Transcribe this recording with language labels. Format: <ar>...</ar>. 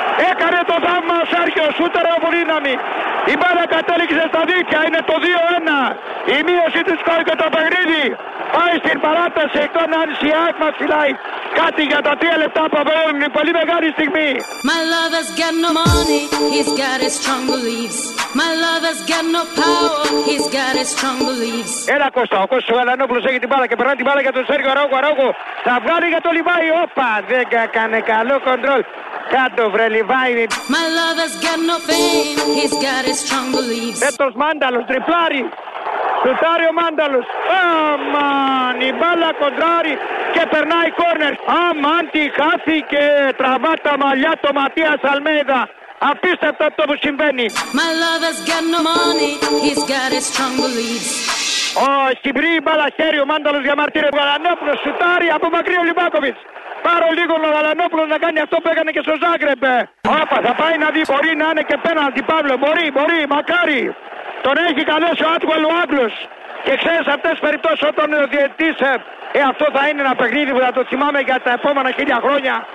<el>Έκανε το θαύμα ο Σέρχιο Σουτάρ από δύναμη. Η μπάλα κατέληξε στα δίκια, είναι το 2-1. Η μείωση του σκόρ και το παιχνίδι. Πάει στην παράταση, τον Άνση Άκμα φυλάει κάτι για τα 3 λεπτά που αποβαίνουν, είναι πολύ μεγάλη στιγμή.</el> <en>My lover's got no money, he's got his strong beliefs. My lover's got no power, he's got his strong beliefs.</en> <el>Έλα Κώστα, ο Κώστας ο Γαλανόπουλος έχει την μπάλα και περνάει την μπάλα για τον Σέργιο Αραούχο. Αραούχο θα βγάλει για το Λιβάη, όπα, δεν έκανε καλό κοντρόλ. Κάτω βρε Λιβάη.</el> <en>My lover's got no fame, he's got his strong beliefs.</en> <el>Έτος Μάνταλος, τριπλάρι. Σουτάρει ο Μάνταλος. Αμάν, η μπάλα κοντράρει και περνάει κόρνερ. Αμάν, τη χάθηκε. Τραβά τα μαλλιά το Ματίας Αλμέιδα. Απίστευτο αυτό που συμβαίνει.</el> <en>My lover's got no money, he's got his strong beliefs.</en> <el>Ο Σιμπρί, η μπάλα χέρι, ο Μάνταλος διαμαρτύρει. Ο Γαλανόπουλος σουτάρει από μακρύ ο Λιβάκοβιτς. Πάρω λίγο ο Γαλανόπουλος να κάνει αυτό που έκανε και στο Ζάγκρεπ. Όπα, θα πάει να δει, μπορεί να είναι και πέναλτι, Παύλο. Μπορεί, μακάρι. Τον έχει καλέσει ο Άτουελ ο Άγγλος. Και ξέρεις αυτές περιπτώσεις όταν ο διαιτητής αυτό θα είναι ένα παιχνίδι που θα το θυμάμαι για τα επόμενα χίλια χρόνια.</el>